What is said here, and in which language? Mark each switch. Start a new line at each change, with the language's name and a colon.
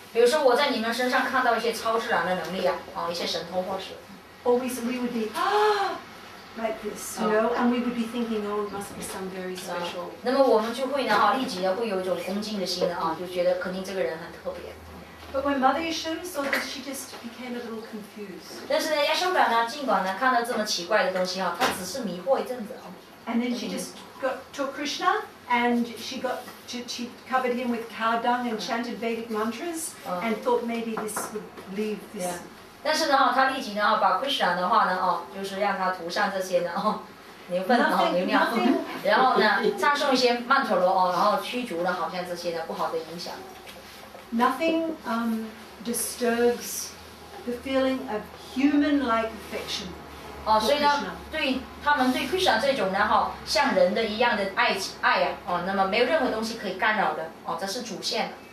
Chinese: 比如说我在你们身上看到一些超自然的能力一些神通或是。
English: Always we would be like this, you know, and we would be thinking, oh, it must be some very special.
Chinese: 那么我们就会呢立即会有一种恭敬的心就觉得肯定这个人很特别。
English: But when Mother Yashoda saw this, she just became a little confused.
Chinese: 但是呢，亚瑟达呢，尽管呢看到这么奇怪的东西她只是迷惑一阵子。
English: And then she just got to Krishna. And she got, she covered him with cow dung and chanted Vedic mantras and thought maybe this would leave this. Yeah.
Chinese: 但是呢，他立即呢，把 Krishna 的话呢，哦，就是让他涂上这些呢，哦，牛粪哦，牛尿，然后呢，唱诵一些曼陀罗哦，然后驱逐了好像这些呢不好的影响。
English: Nothing disturbs the feeling of human-like affection.
Chinese: 哦，所以呢，对他们对 Krishna 这种呢，哈，像人的一样的爱呀，哦，那么没有任何东西可以干扰的，哦，这是主线。